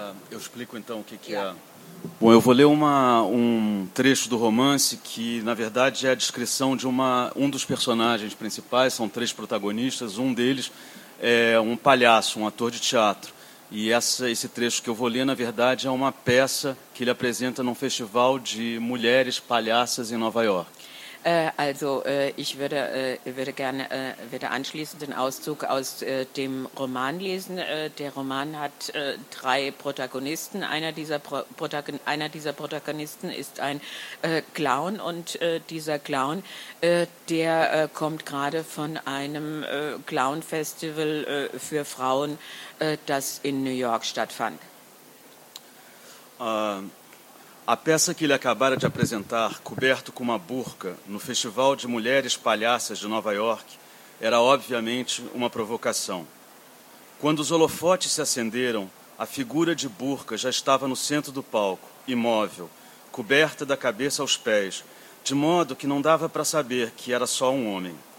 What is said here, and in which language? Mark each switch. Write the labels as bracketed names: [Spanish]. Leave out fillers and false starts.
[Portuguese] Eu explico então o que, que é. Bom, eu vou ler um trecho do romance que, na verdade, é a descrição de um dos personagens principais, são três protagonistas, um deles é um palhaço, um ator de teatro. E esse trecho que eu vou ler, na verdade, é uma peça que ele apresenta num festival de mulheres palhaças em Nova York. [German] Also, ich würde gerne würde anschließend den Auszug aus dem Roman lesen. Der Roman hat drei Protagonisten. Einer dieser Protagonisten ist ein Clown. Und dieser Clown, der kommt gerade von einem Clown-Festival für Frauen, das in New York stattfand. [Portuguese] A peça que ele acabara de apresentar, coberto com uma burca, no Festival de Mulheres Palhaças de Nova York, era obviamente uma provocação. Quando os holofotes se acenderam, a figura de burca já estava no centro do palco, imóvel, coberta da cabeça aos pés, de modo que não dava para saber que era só um homem.